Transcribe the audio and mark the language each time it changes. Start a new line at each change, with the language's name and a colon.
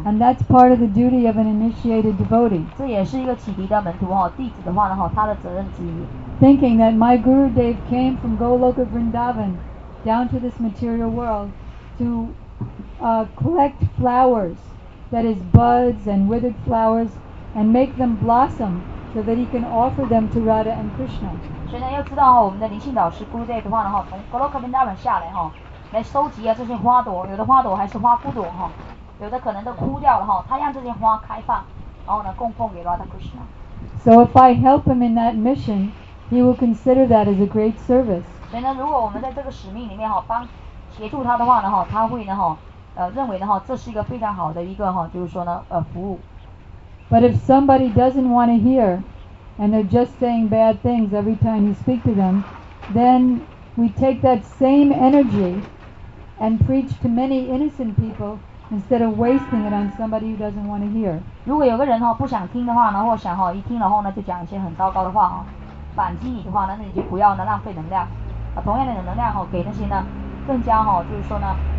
English: And that's part of the duty of an initiated devotee.
Chinese: 这也是一个启迪的门徒哈，弟子的话呢哈，他的责任之一。
English: Thinking that my Gurudev came from Goloka Vrindavan down to this material world to. Collect flowers, that is buds and withered flowers, and make them blossom so that he can offer them to Radha and Krishna.
Chinese: 所以呢，要知道哈，我们的灵性导师 Gurudev 的话呢，哈，从 Goloka Vrindavan 下来哈，来收集啊这些花朵，有的花朵还是花骨朵哈，有的可能都枯掉了哈，他让这些花开放，然后呢，供奉给 Radha Krishna.
English: So if I help him in that mission, he will consider that as a great service.
Chinese: 所以呢，如果我们在这个使命里面哈，帮协助他的话呢，哈，他会呢，哈。认为呢哈，这是一个非常好的一个哈，就是说呢，服务。
English: But if somebody doesn't want to hear, and they're just saying bad things every time you speak to them, then we take that same energy and preach to many innocent people instead of wasting it on somebody who doesn't want to hear.
Chinese: 如果有个人哈不想听的话呢，或想哈一听然后呢就讲一些很糟糕的话哈，反击你的话呢，那你就不要呢浪费能量，同样的能量哈给那些呢更加哈就是说呢。